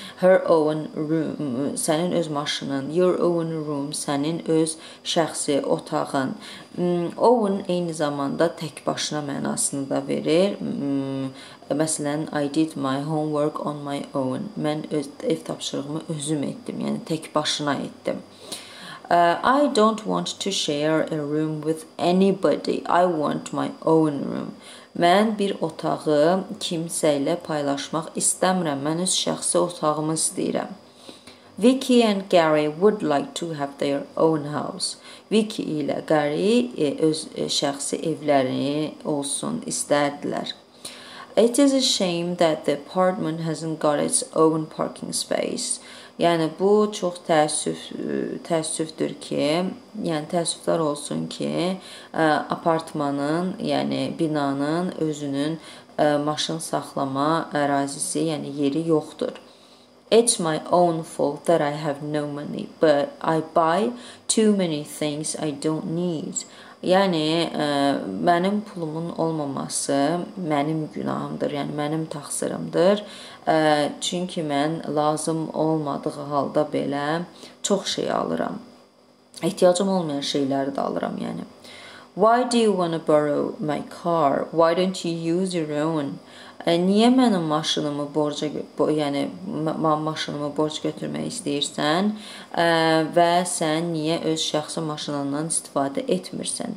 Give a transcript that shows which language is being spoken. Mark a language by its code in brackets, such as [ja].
[en] Her own room, [az] senin öz maşının. [en] Your own room, [az] senin öz şəxsi otağın. Own eyni zamanda tək başına mənasını da verir. Məsələn, [en] I did my homework on my own. [az] Mən öz ev tapşırığımı özüm etdim, yəni tək başına etdim. [en] I don't want to share a room with anybody. I want my own room. [az] Mən bir otağı kimsə ilə paylaşmaq istəmirəm. Mən öz şəxsi otağımı istəyirəm. [en] Vicky and Gary would like to have their own house. [az] Vicky ilə Gary öz şəxsi evlərini olsun istərdilər. [en] It is a shame that the apartment hasn't got its own parking space. [az] Yəni, bu çox təəssüfdür ki, yəni təəssüflər olsun ki, apartmanın, yəni binanın özünün maşın saxlama ərazisi, yəni yeri yoxdur. [en] It's my own fault that I have no money, but I buy too many things I don't need. [az] Yəni, mənim pulumun olmaması mənim günahımdır, yəni mənim təqsirimdir. Çünki mən lazım olmadığı halda belə çox şey alıram. Ehtiyacım olmayan şeyləri də alıram, yəni. [en] Why do you want to borrow my car? Why don't you use your own? [az] Niyə mənim maşınımı borca, yəni maşınımı borc götürmək istəyirsən və sən niyə öz şəxsi maşınından istifadə etmirsən?